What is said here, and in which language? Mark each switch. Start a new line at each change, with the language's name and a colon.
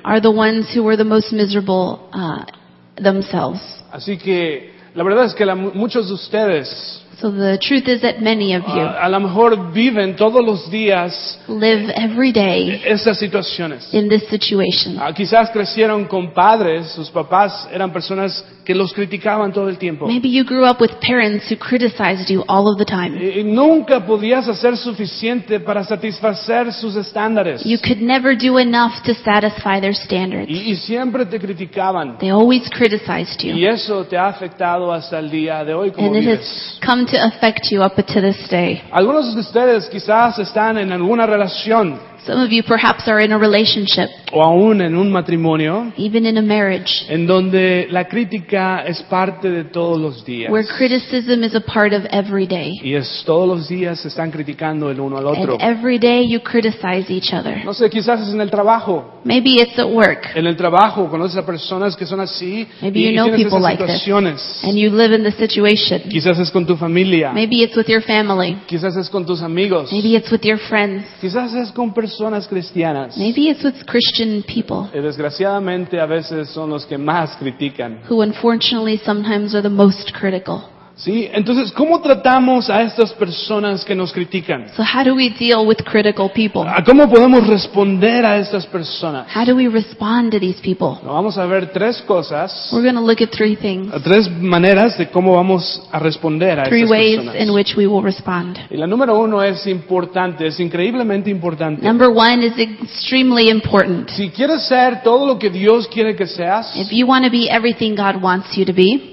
English: Are the ones who were the most miserable themselves.
Spanish: Así que la verdad es que muchos de ustedes,
English: So the truth is that many of you
Spanish: a lo mejor viven todos los días
English: live every day
Spanish: esas situaciones.
English: In this situation.
Spanish: Quizás crecieron con padres, sus papás eran personas que los criticaban todo el tiempo.
English: Maybe you grew up with parents who criticized you all of the time.
Spanish: Y nunca podías hacer suficiente para satisfacer sus estándares.
English: You could never do enough to satisfy their standards.
Spanish: Y siempre te criticaban.
English: They always criticized you.
Spanish: Y eso te ha afectado hasta el día de hoy como vives.
English: And it has come to affect you up to this day.
Spanish: Algunos de ustedes quizás están en alguna relación.
English: Some of you perhaps are in a relationship.
Spanish: O aún en un matrimonio.
English: Even in a marriage.
Spanish: En donde la crítica es parte de todos los días.
English: Where criticism is a part of every day.
Spanish: Y es todos los días se están criticando el uno al otro.
English: And every day you criticize each other.
Spanish: No sé, quizás es en el trabajo.
English: Maybe it's at work.
Spanish: En el trabajo conoces a personas que son así.
English: Maybe you know people like this. And you live in the situation.
Spanish: Quizás es con tu familia.
English: Maybe it's with your family.
Spanish: Quizás es con tus amigos.
English: Maybe it's with your friends.
Spanish: Quizás es con personas cristianas.
English: Maybe it's with Christian people.
Spanish: Y desgraciadamente a veces son los que más critican.
English: Who unfortunately sometimes are the most critical.
Spanish: Sí, entonces ¿cómo tratamos a estas personas que nos critican?
English: So how do we deal with critical people?
Spanish: ¿Cómo podemos responder a estas personas?
English: How do we respond to these people?
Spanish: Vamos a ver tres cosas.
English: We're going to look at three things.
Spanish: Tres maneras de cómo vamos a responder a estas personas.
English: Three ways in which we will respond.
Spanish: Y la número uno es importante, es increíblemente importante.
English: Number one is extremely important.
Spanish: Si quieres ser todo lo que Dios quiere que seas.
English: If you want to be everything God wants you to be.